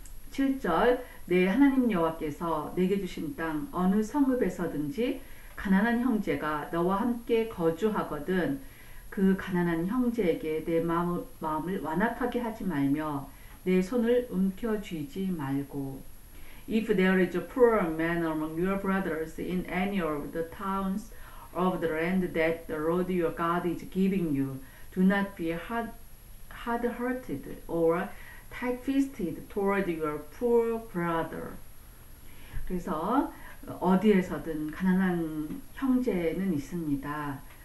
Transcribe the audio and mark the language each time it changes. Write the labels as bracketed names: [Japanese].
[Korean] 7절, 내 하나님 여호와께서 내게 주신 땅 어느 성읍에서든지 가난한 형제가 너와 함께 거주하거든 그 가난한 형제에게 내 마음을 완악하게 하지 말며 내 손을 움켜쥐지 말고. [English] If there is a poor man among your brothers in any of the towns of the land that the Lord your God is giving you, do not be hard-hearted or tight-fisted toward your poor brother. [Korean] 그래서 어디에서든 가난한 형제는 있습니다.